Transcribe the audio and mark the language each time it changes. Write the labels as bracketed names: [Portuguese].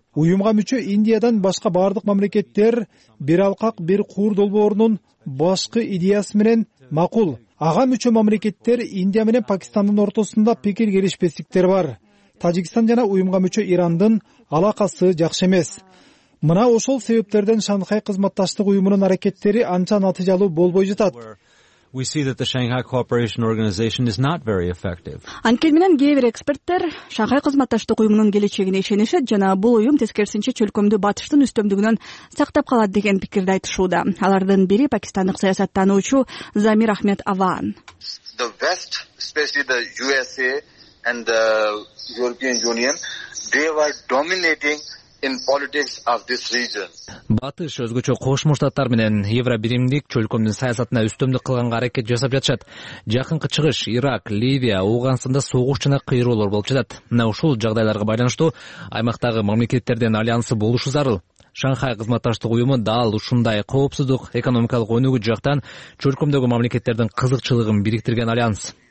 [Kyrgyz] Уюмга мүчө Индиядан башка бардык мамлекеттер бир алкак бир куур долбоорунун башкы идеясы менен макул. Ага мүчө мамлекеттер Индия менен Пакистандын ортосунда пикир келишпестиктер бар. Тажикстан жана уюмга мүчө Ирандын алакасы жакшы эмес. Мына ошол себептерден Шанхай кызматташтык уюмунун аракеттери анча натыйжалуу болбой жатат. [English] We see that the Shanghai Cooperation Organization is not very effective. [Kyrgyz] Анткен менен кээ бир эксперттер Шанхай кызматташтык уюмунун келечегине ишенишет жана бул уюм тескерисинче чөлкөмдү батыштын үстөмдүгүнөн сактап калат деген пикирди айтышууда. Алардын бири пакистандык саясаттануучу Замир Ахмед Аван. [English] The West, especially the USA and the European Union, they were dominating in politics of this region. [Kyrgyz] Батыш өзгөчө Кошмо Штаттар менен Евробиримдик чөлкөмдүн саясатына үстөмдүк кылганга аракет жасап жатышат. Жакынкы чыгыш, Ирак, Ливия, Ауганстанда согуш жана кыйроолор болуп жатат. Мына ушул жагдайларга байланыштуу аймактагы мамлекеттердин альянсы болушу зарыл. Шанхай кызматташтык уюму дал ушундай коопсуздук, экономикалык өнүгүү жактан чөлкөмдөгү мамлекеттердин кызыкчылыгын бириктирген альянс.